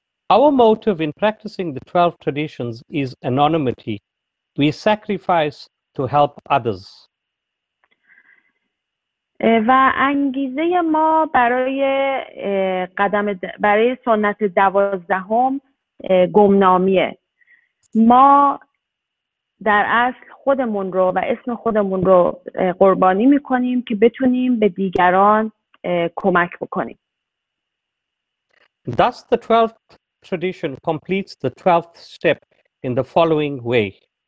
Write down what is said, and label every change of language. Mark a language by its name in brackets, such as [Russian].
[English] Our motive in practicing the 12 traditions is anonymity. We sacrifice to help others. [Persian] و انگیزه ما برای قدم برای سنت 12 گمنامیه. ما در اصل خودمون رو و اسم خودمون رو قربانی میکنیم که بتونیم به دیگران کمک بکنیم. [English] Thus the 12th tradition completes the 12th step in the following way.